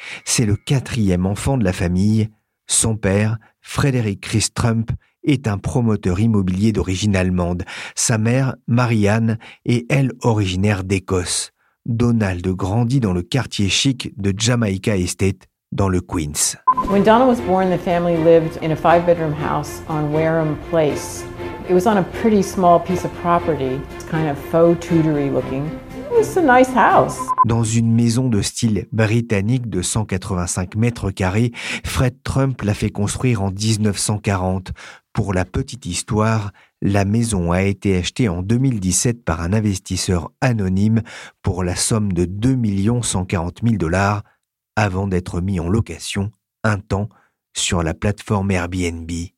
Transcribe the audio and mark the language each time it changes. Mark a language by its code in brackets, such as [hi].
[fr] C'est le 4e enfant de la famille. Son père, Frédéric Chris Trump, est un promoteur immobilier d'origine allemande. Sa mère, Marianne, est elle originaire d'Écosse. Donald grandit dans le quartier chic de Jamaica Estate, dans le Queens. [en] When Donald was born, the family lived in a 5-bedroom house on Wareham Place. It was on a pretty small piece of property. It's kind of faux Tudory looking. It was a nice house. [fr] Dans une maison de style britannique de 185 mètres carrés, Fred Trump l'a fait construire en 1940. Pour la petite histoire, la maison a été achetée en 2017 par un investisseur anonyme pour la somme de 2 140 000 dollars avant d'être mis en location un temps sur la plateforme Airbnb.